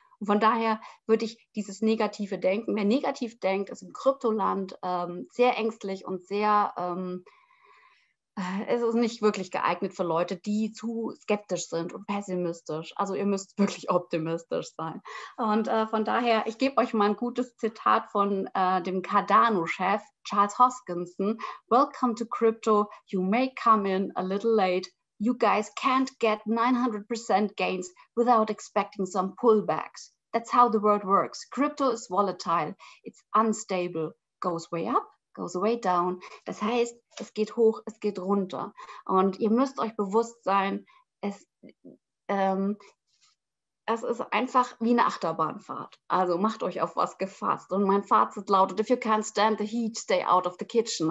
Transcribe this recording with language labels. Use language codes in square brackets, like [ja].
[de] Und von daher würde ich dieses negative Denken, wer negativ denkt, ist im Kryptoland sehr ängstlich und sehr, es ist nicht wirklich geeignet für Leute, die zu skeptisch sind und pessimistisch. Also ihr müsst wirklich optimistisch sein. Und von daher, ich gebe euch mal ein gutes Zitat von dem Cardano-Chef Charles Hoskinson. [en] Welcome to crypto. You may come in a little late. You guys can't get 900% gains without expecting some pullbacks. That's how the world works. Crypto is volatile. It's unstable. Goes way up. Goes way down. [de] Das heißt, es geht hoch, es geht runter. Und ihr müsst euch bewusst sein, es ist einfach wie eine Achterbahnfahrt. Also macht euch auf was gefasst. Und mein Fazit lautet, [en] if you can't stand the heat, stay out of the kitchen.